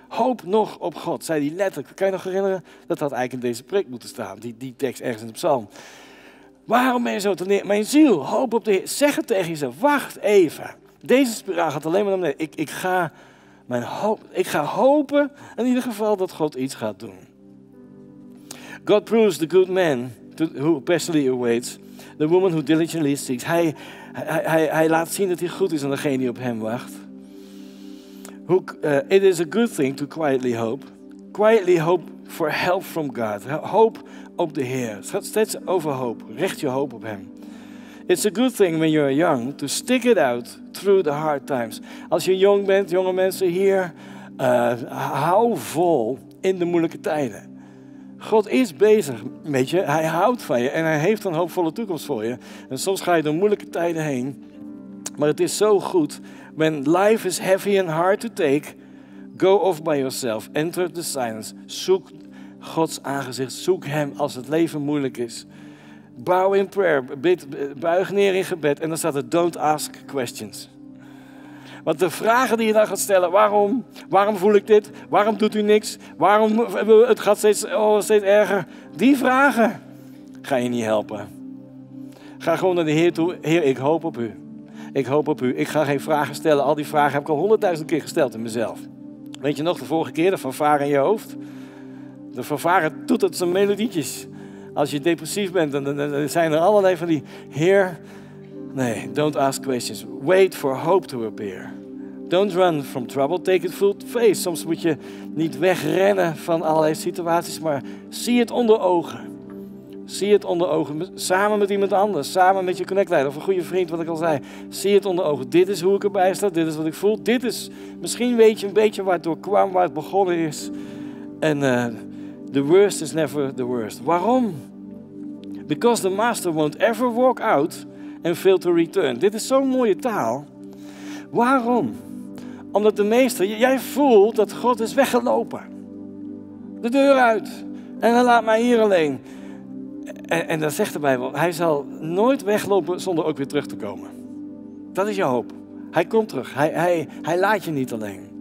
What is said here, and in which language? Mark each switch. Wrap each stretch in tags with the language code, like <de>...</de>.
<nl>Hoop nog op God, zei hij letterlijk. Kan je nog herinneren? Dat had eigenlijk in deze preek moeten staan, die tekst ergens in de psalm. Waarom ben je zo te neer? Mijn ziel, hoop op de Heer. Zeg het tegen jezelf, wacht even. Deze spiraal gaat alleen maar naar beneden. Ik ga hopen in ieder geval dat God iets gaat doen.</nl> <en>God proves the good man who patiently awaits. The woman who diligently seeks.</en> <nl>Hij laat zien dat hij goed is aan degene die op hem wacht.</nl> <en>It is a good thing to quietly hope. Quietly hope for help from God.</en> <nl>Hoop op de Heer. Het gaat steeds over hoop. Richt je hoop op hem.</nl> <en>It's a good thing when you're young to stick it out through the hard times.</en> <nl>Als je jong bent, jonge mensen hier, hou vol in de moeilijke tijden. God is bezig met je. Hij houdt van je en hij heeft een hoopvolle toekomst voor je. En soms ga je door moeilijke tijden heen. Maar het is zo goed.</nl> <en>When life is heavy and hard to take, go off by yourself. Enter the silence.</en> <nl>Zoek Gods aangezicht. Zoek hem als het leven moeilijk is.</nl> <en>Bow in prayer.</en> <nl>Buig neer in gebed. En dan staat er,</nl> <en>don't ask questions.</en> <nl>Want de vragen die je dan gaat stellen, waarom? Waarom voel ik dit? Waarom doet u niks? Waarom het gaat steeds erger? Die vragen ga je niet helpen. Ga gewoon naar de Heer toe. Heer, ik hoop op u. Ik hoop op u. Ik ga geen vragen stellen. Al die vragen heb ik al 100.000 keer gesteld in mezelf. Weet je nog de vorige keer, de fanfare in je hoofd? De fanfare doet het zijn melodietjes. Als je depressief bent, dan zijn er allerlei van die, Heer, nee,</nl> <en>don't ask questions. Wait for hope to appear. Don't run from trouble, take it full face.</en> <nl>Soms moet je niet wegrennen van allerlei situaties, maar zie het onder ogen. Zie het onder ogen, samen met iemand anders, samen met je connectleider of een goede vriend, wat ik al zei. Zie het onder ogen, dit is hoe ik erbij sta, dit is wat ik voel. Dit is, misschien weet je een beetje waar het door kwam, waar het begonnen is.</nl> <en>En the worst is never the worst.</en> <nl>Waarom?</nl> <en>Because the master won't ever walk out and fail to return.</en> <nl>Dit is zo'n mooie taal. Waarom? Omdat de meester, jij voelt dat God is weggelopen. De deur uit. En hij laat mij hier alleen. En dan zegt de Bijbel, hij zal nooit weglopen zonder ook weer terug te komen. Dat is je hoop. Hij komt terug. Hij laat je niet alleen.</nl>